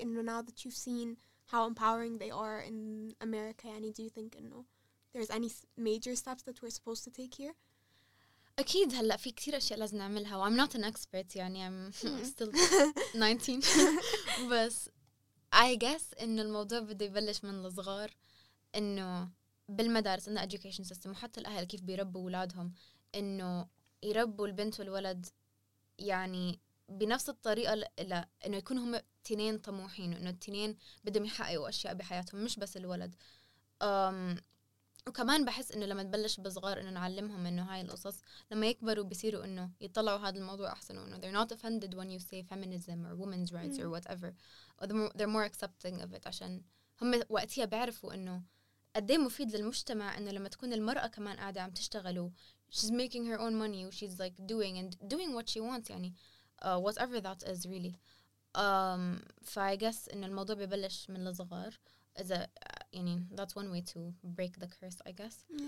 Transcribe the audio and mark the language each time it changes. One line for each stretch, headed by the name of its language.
English: And now that you've seen how empowering they are in America,
Arabic: يعني
English: do you think there's any major steps that we're supposed to take here?
Arabic: أكيد هلا في كتير أشياء لازم نعملها.
English: I'm not an expert
Arabic: يعني
English: I'm still 19.
Arabic: بس
English: I guess
Arabic: إن الموضوع بده يبلش من الصغار. إنه بالمدارس إنه
English: education system
Arabic: وحتى الأهل كيف بيربوا أولادهم إنه يربوا البنت والولد يعني بنفس الطريقة لإنه يكون هم تنين طموحين وإنه التنين بدهم يحققوا أشياء بحياتهم مش بس الولد. وكمان بحس إنه لما تبلش بصغار إنه نعلمهم إنه هاي القصص لما يكبروا بيصيروا إنه يطلعوا هذا الموضوع أحسن وإنه
English: they're not offended when you say feminism or women's rights or whatever they're more accepting of it
Arabic: عشان هم وقتها بعرفوا إنه قديه مفيد للمجتمع إنه لما تكون المرأة كمان قاعدة عم تشتغل
English: she's making her own money she's like doing and doing what she wants
Arabic: يعني
English: whatever that is really. فI guess
Arabic: إنه الموضوع ببلش من الصغار إذا يعني
English: that's one way to break the curse I guess.